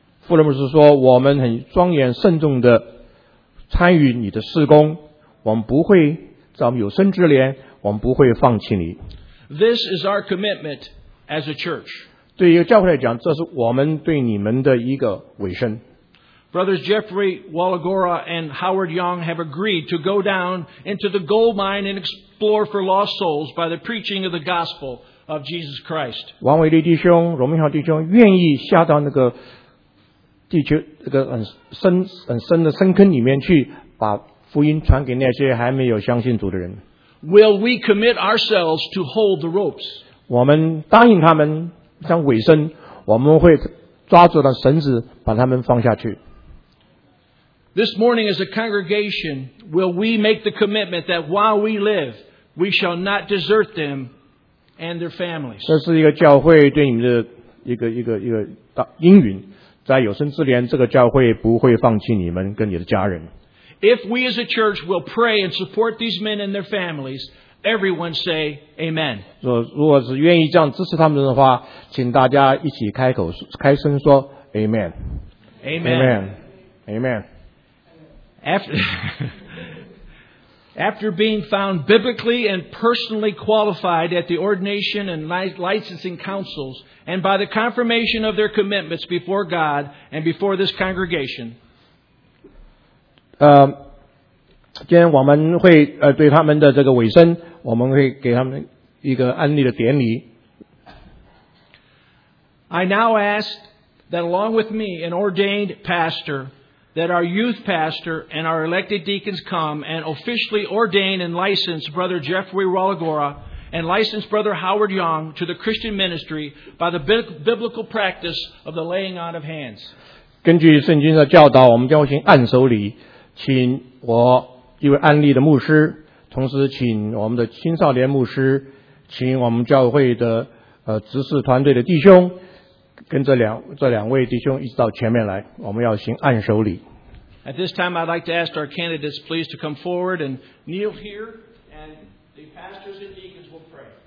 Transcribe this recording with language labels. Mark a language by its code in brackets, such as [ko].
[zh] 富勒牧师说：“我们很庄严慎重地参与你的事工，我们不会在我们有生之年，我们不会放弃你。” [en] This is our commitment as a church. [zh] 对于教会来讲，这是我们对你们的一个委身。 [en] Brothers Jeffrey Walagora and Howard Young have agreed to go down into the gold mine and explore for lost souls by the preaching of the gospel of Jesus Christ. [zh] 王伟立弟兄、荣明豪弟兄愿意下到那个地球、那个很深的深坑里面去，把福音传给那些还没有相信主的人。 [en] Will we commit ourselves to hold the ropes? [zh] 我们答应他们，像尾声，我们会抓住了绳子，把他们放下去。 [en] This morning, as a congregation, will we make the commitment that while we live, we shall not desert them and their families? [zh] 这是一个教会对你们的一个应允，在有生之年，这个教会不会放弃你们跟你的家人。 [en] If we as a church will pray and support these men and their families, everyone say Amen. [zh] 如果是愿意这样支持他们的话，请大家一起开声说 Amen. [en] Amen. Amen. Amen. After being found biblically and personally qualified at the ordination and licensing councils, and by the confirmation of their commitments before God and before this congregation. [zh] 今天我们会对他们的这个委身，我们会给他们一个安立的典礼。 [en] I now ask that along with me, an ordained pastor, that our youth pastor and our elected deacons come and officially ordain and license Brother Jeffrey Walagora and license Brother Howard Young to the Christian ministry by the biblical practice of the laying on of hands. [zh] 根据圣经的教导，我们将行按手礼。请我一位安利的牧师，同时请我们的青少年牧师，请我们教会的执事团队的弟兄，跟这两位弟兄一直到前面来，我们要行按手礼。 [en] At this time, I'd like to ask our candidates please to come forward and kneel here, and the pastors and deacons will pray.